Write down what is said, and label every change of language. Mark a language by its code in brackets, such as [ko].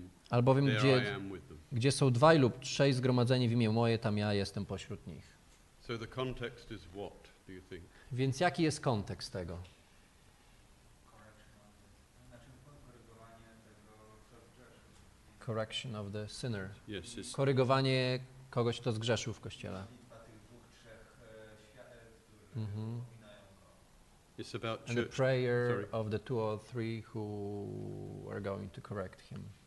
[pl] Albowiem gdzie są dwaj lub trzej zgromadzeni w imię moje, tam ja jestem pośród nich. [en] So the context is what, do you think? [pl] Więc jaki jest kontekst tego? [en] Correction of the sinner. Yes, it's... [pl] Korygowanie kogoś, kto zgrzeszył w kościele. [en] Mhm. It's about and the prayer of the two or three who are going to correct him.